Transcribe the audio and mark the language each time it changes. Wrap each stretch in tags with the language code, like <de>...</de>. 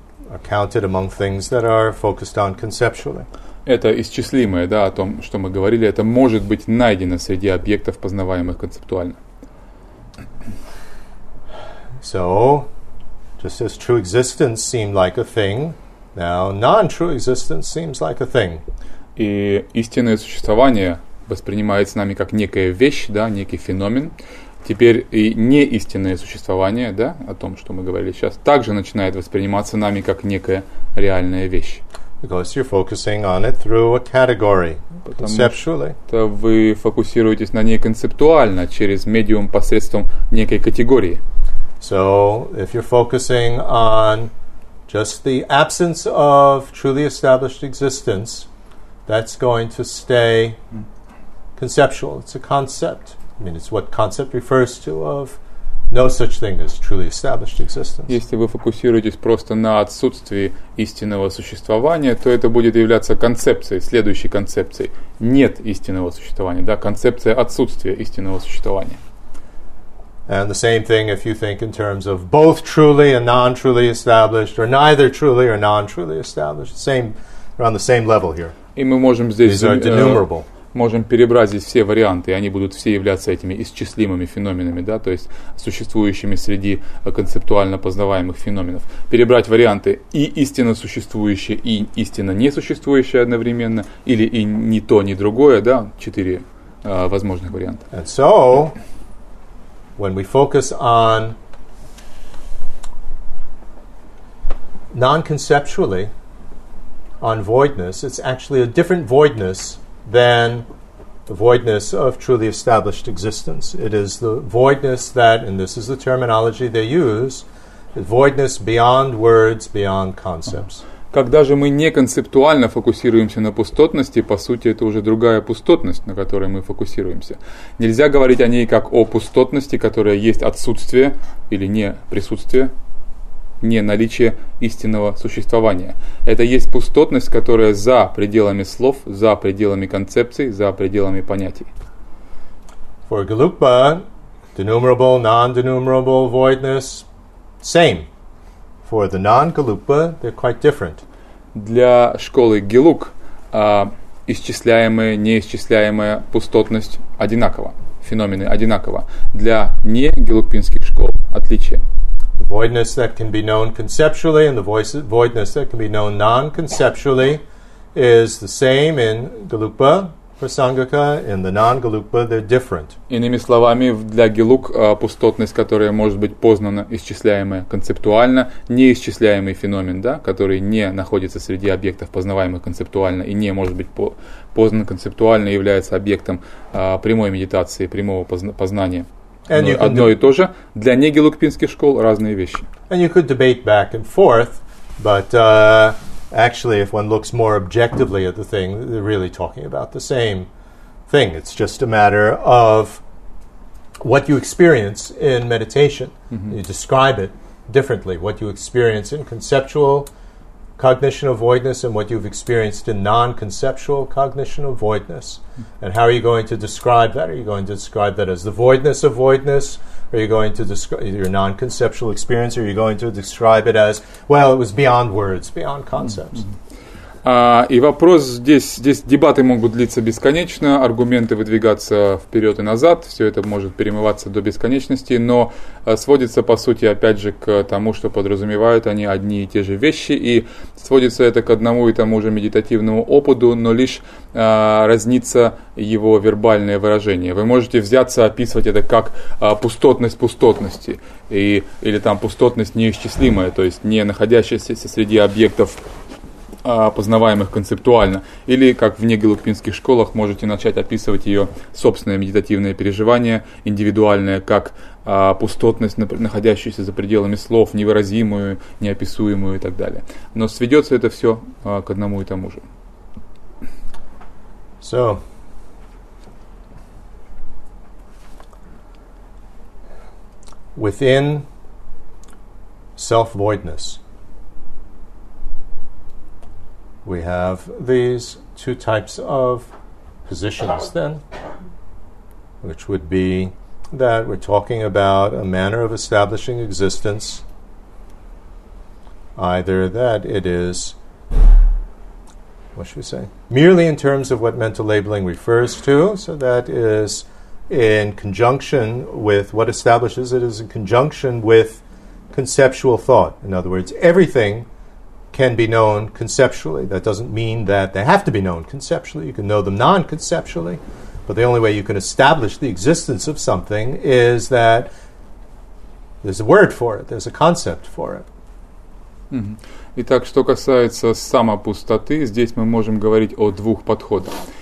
<en>Are counted among things that are focused on conceptually.</en> <ru>Это исчислимое, да, о том, что мы говорили, это может быть найдено среди объектов, познаваемых концептуально.</ru> <en>So, just as true existence seemed like a thing, now non-true existence seems like a thing.</en> <ru>И истинное существование воспринимается нами как некая вещь, да, некий феномен. Теперь и неистинное существование, да, о том, что мы говорили сейчас, также начинает восприниматься нами как некая реальная вещь.</ru> <en>Because you're focusing on it through a category, conceptually.</en> <ru>Потому что вы фокусируетесь на ней концептуально, через медиум посредством некой категории.</ru> <en>So, if you're focusing on just the absence of truly established existence, that's going to stay conceptual. It's a concept. I mean, it's what concept refers to of no such thing as truly established existence.</en> <ru>Если вы фокусируетесь просто на отсутствии истинного существования, то это будет являться концепцией, следующей концепцией. Нет истинного существования, да, концепция отсутствия истинного существования.</ru> <en>And the same thing if you think in terms of both truly and non-truly established, or neither truly or non-truly established. Same, around the same level here.</en> <ru>И мы можем здесь...</ru> <en>These are denumerable.</en> <ru>Можем перебрать здесь все варианты, и они будут все являться этими исчислимыми феноменами, да, то есть существующими среди концептуально познаваемых феноменов. Перебрать варианты и истинно существующее, и истинно несуществующее одновременно, или и ни то, ни другое, да, четыре возможных варианта.</ru> <en>And so, when we focus on non-conceptually on voidness, it's actually a different voidness than the voidness of truly established existence. It is the voidness that, and this is the terminology they use, the voidness beyond words, beyond concepts.</en> <ru>Когда же мы не концептуально фокусируемся на пустотности, по сути, это уже другая пустотность, на которой мы фокусируемся. Нельзя говорить о ней как о пустотности, которая есть отсутствие или не присутствие, не наличие истинного существования. Это есть пустотность, которая за пределами слов, за пределами концепций, за пределами понятий.</ru> <en>For Gelukpa, denumerable, non-denumerable voidness, same. For the non-Gelukpa, they're quite different.</en> <ru>Для школы Гелук исчисляемая, неисчисляемая пустотность одинакова, феномены одинаково. Для не-гелукпинских школ отличие.</ru> <en>Voidness that can be known conceptually and the voidness that can be known non-conceptually is the same in Gelukpa, prasangika, in the non-galukpa, they're different.</en> <ru>Иными словами, для гелук пустотность, которая может быть познана, исчисляемая концептуально, неисчисляемый феномен, да, который не находится среди объектов, познаваемых концептуально, и не может быть познан концептуально, является объектом прямой медитации, прямого познания. Но одно и то же. Для негелукпинских школ разные вещи.</ru> <en>And you could debate back and forth, but... Actually, if one looks more objectively at the thing, they're really talking about the same thing. It's just a matter of what you experience in meditation. Mm-hmm. You describe it differently. What you experience in conceptual cognition avoidness and what you've experienced in non-conceptual cognition avoidness. Mm-hmm. And how are you going to describe that? Are you going to describe that as the voidness of voidness? Are you going to describe your non-conceptual experience? Or are you going to describe it as, well, it was beyond words, beyond concepts?</en> <ru>И вопрос здесь дебаты могут длиться бесконечно, аргументы выдвигаться вперед и назад, все это может перемываться до бесконечности, но сводится, по сути, опять же, к тому, что подразумевают они одни и те же вещи, и сводится это к одному и тому же медитативному опыту, но лишь разнится его вербальное выражение. Вы можете взяться описывать это как пустотность пустотности, или там пустотность неисчислимая, то есть не находящаяся среди объектов, познаваемых концептуально, или как в негелукпинских школах можете начать описывать ее собственное медитативное переживание, индивидуальное, как пустотность, находящуюся за пределами слов, невыразимую, неописуемую и так далее. Но сведется это все к одному и тому же.</ru> <en>So, within self-voidness, we have these two types of positions then, which would be that we're talking about a manner of establishing existence, either that it is, what should we say, merely in terms of what mental labeling refers to, so that is in conjunction with, what establishes it is in conjunction with conceptual thought. In other words, everything can be known conceptually. That doesn't mean that they have to be known conceptually. You can know them non-conceptually, but the only way you can establish the existence of something is that there's a word for it, there's a concept for it. Mm-hmm.</en> <ru>Итак, что касается самопустоты, здесь мы можем говорить о двух подходах.</ru>